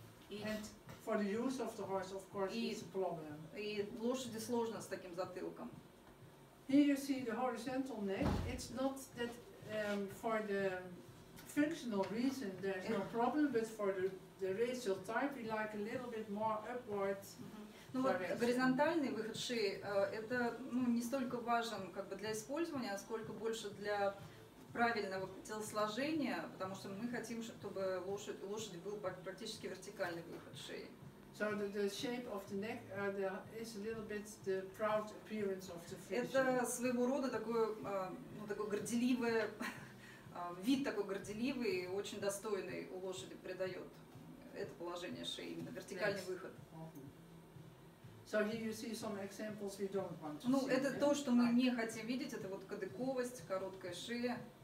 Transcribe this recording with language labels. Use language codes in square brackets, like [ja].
[en] And for the use of the horse, of course, is a problem. [ru] И лошади сложно с таким затылком. [en] Here you see the horizontal neck. It's not that for the functional reason there's no problem, but for the racial type we like a little bit more upward. [ru] Ну вот горизонтальный выход шеи это ну, не столько важен как бы для использования, сколько больше для правильного телосложения, потому что мы хотим, чтобы лошади был практически вертикальный выход шеи. [en] So the shape of the neck is a little bit the proud appearance of the finisher. [ru] Это своего рода такой, ну, такой горделивый вид, такой горделивый и очень достойный у лошади придает это положение шеи, именно вертикальный [en] yes. [ru] выход. [en] So here you see some examples we don't want to [ru] ну, [en] see. [ru] Это то, что мы не хотим видеть, это вот кадыковость, короткая шея.